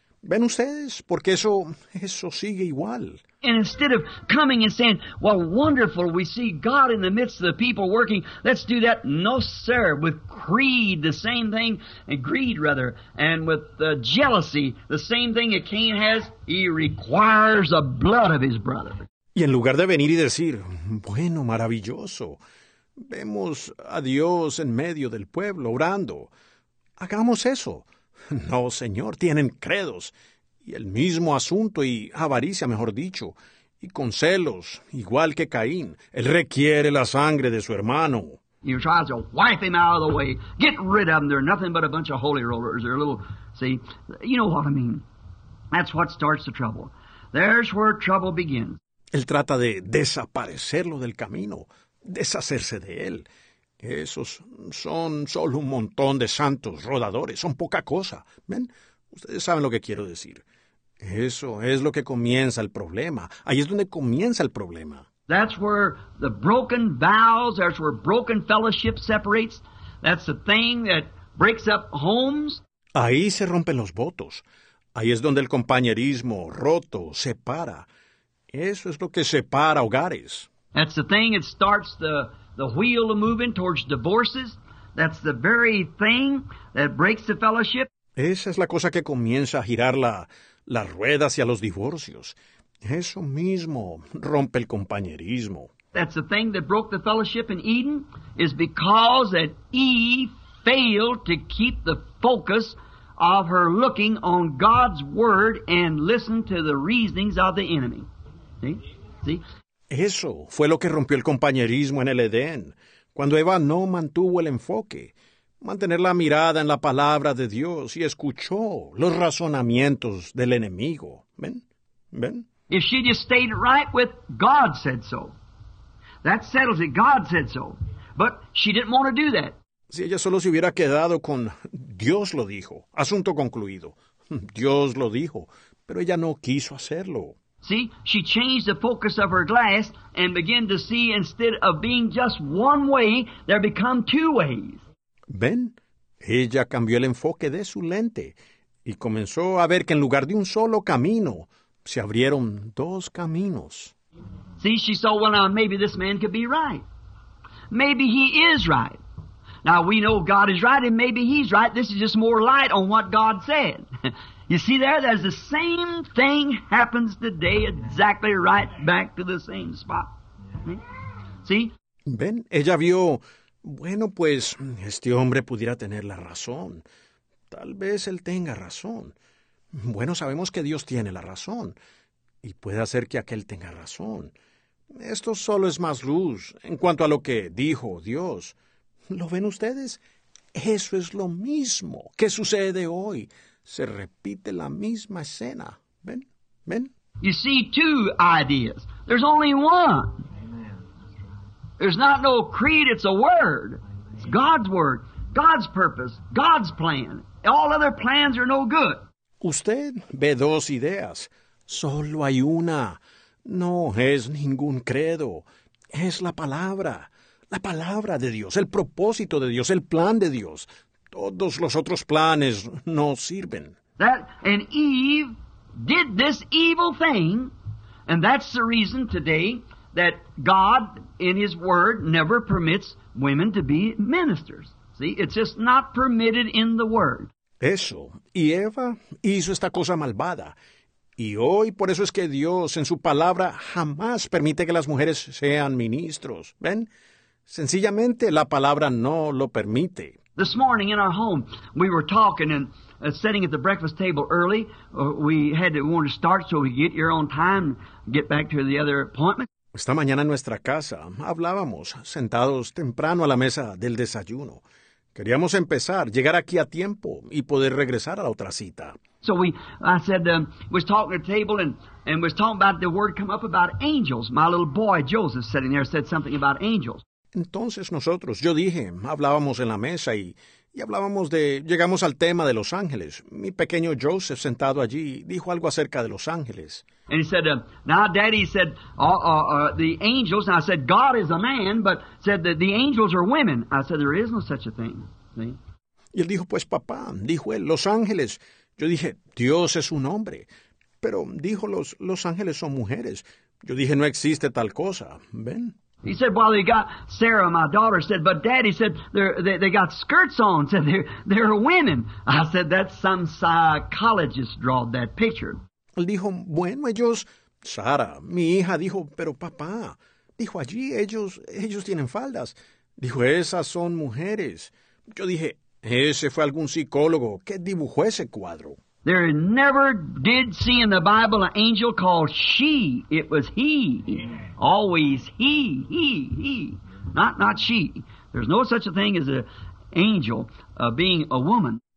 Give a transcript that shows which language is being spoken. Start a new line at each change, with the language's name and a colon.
Spanish: ¿Ven ustedes? Porque eso sigue igual.
English: And instead of coming and saying, well, wonderful, we see God in the midst of the people working, let's do that, no, sir, with greed, the same thing, and greed, rather, and with jealousy, the same thing that Cain has, he requires the blood of his brother.
Spanish: Y en lugar de venir y decir, bueno, maravilloso, vemos a Dios en medio del pueblo, orando, hagamos eso. No, señor, tienen credos. Y el mismo asunto, y avaricia, mejor dicho, y con celos, igual que Caín. Él requiere la sangre de su hermano.
English: He tries to wipe him out of the way. Get rid of them. They're nothing but a bunch of holy rollers. They're a little, see, you know what I mean. That's what starts the trouble. There's where trouble begins.
Spanish: Él trata de desaparecerlo del camino, deshacerse de él. Esos son solo un montón de santos rodadores, son poca cosa. ¿Ven? Ustedes saben lo que quiero decir. Eso es lo que comienza el problema. Ahí es donde comienza el problema.
English: That's where the broken vows, that's where broken fellowship separates. That's the thing that breaks up homes.
Spanish: Ahí se rompen los votos. Ahí es donde el compañerismo roto separa. Eso es lo que separa hogares.
English: That's the thing that starts the wheel of moving towards divorces. That's the very thing that breaks the fellowship.
Spanish: Esa es la cosa que comienza a girar la rueda hacia los divorcios. Eso mismo rompe el compañerismo.
English: That's the thing that broke the fellowship in Eden is because that Eve failed to keep the focus of her looking on God's word and listen to the reasonings of the enemy. See?
Spanish: Eso fue lo que rompió el compañerismo en el Edén, cuando Eva no mantuvo el enfoque. Mantener la mirada en la palabra de Dios y escuchó los razonamientos del enemigo. ¿Ven? ¿Ven?
English: If she just stayed right with God said so. That settles it. God said so. But she didn't want to do that.
Spanish: Si ella solo se hubiera quedado con Dios lo dijo. Asunto concluido. Dios lo dijo. Pero ella no quiso hacerlo.
English: See, she changed the focus of her glass and began to see instead of being just one way, there become two ways.
Spanish: ¿Ven? Ella cambió el enfoque de su lente y comenzó a ver que en lugar de un solo camino, se abrieron dos caminos.
English: See, she saw, well, now maybe this man could be right. Maybe he is right. Now, we know God is right, and maybe he's right. This is just more light on what God said. You see there, there's the same thing happens today exactly right back to the same spot. See?
Spanish: ¿Ven? Ella vio... Bueno, pues, este hombre pudiera tener la razón. Tal vez él tenga razón. Bueno, sabemos que Dios tiene la razón. Y puede hacer que aquel tenga razón. Esto solo es más luz en cuanto a lo que dijo Dios. ¿Lo ven ustedes? Eso es lo mismo que sucede hoy. Se repite la misma escena. ¿Ven? ¿Ven?
English: You see two ideas. There's only one. There's not no creed, it's a word. It's God's word, God's purpose, God's plan. All other plans are no good.
Spanish: Usted ve dos ideas. Solo hay una. No es ningún credo. Es la palabra. La palabra de Dios, el propósito de Dios, el plan de Dios. Todos los otros planes no sirven.
English: That and Eve did this evil thing, and that's the reason today that God, in His Word, never permits women to be ministers. See, it's just not permitted in the Word.
Spanish: Eso. Y Eva hizo esta cosa malvada. Y hoy, por eso es que Dios, en su palabra, jamás permite que las mujeres sean ministros. ¿Ven? Sencillamente, la palabra no lo permite.
English: This morning in our home, we were talking and sitting at the breakfast table early. We had to want to start so we get here on time, get back to the other appointment.
Spanish: Esta mañana en nuestra casa, hablábamos, sentados temprano a la mesa del desayuno. Queríamos empezar, llegar aquí a tiempo y poder regresar a la otra cita.
English: So we was talking at the table and was talking about the word come up about angels. My little boy Joseph sitting there said something about angels.
Spanish: Entonces nosotros, yo dije, hablábamos en la mesa y hablábamos de, llegamos al tema de los ángeles. Mi pequeño Joseph sentado allí dijo algo acerca de los ángeles.
English: And he said, now daddy said, the angels, and I said, God is a man, but said that the angels are women. I said, there is no such a thing. See?
Spanish: Y él dijo, pues papá, dijo él, los ángeles. Yo dije, Dios es un hombre. Pero dijo, los ángeles son mujeres. Yo dije, no existe tal cosa. Ven.
English: He said, well, they got, Sarah, my daughter, said, but daddy said, they got skirts on, said, they're women. I said, that's some psychologist drawed that picture.
Spanish: Él dijo, bueno, ellos, Sara, mi hija, dijo, pero papá, dijo allí, ellos tienen faldas. Dijo, esas son mujeres. Yo dije, ese fue algún psicólogo que dibujó ese cuadro.
English: There never did see in the Bible an angel called she, it was he. Always he, not she. There's no such a thing as an angel being a woman.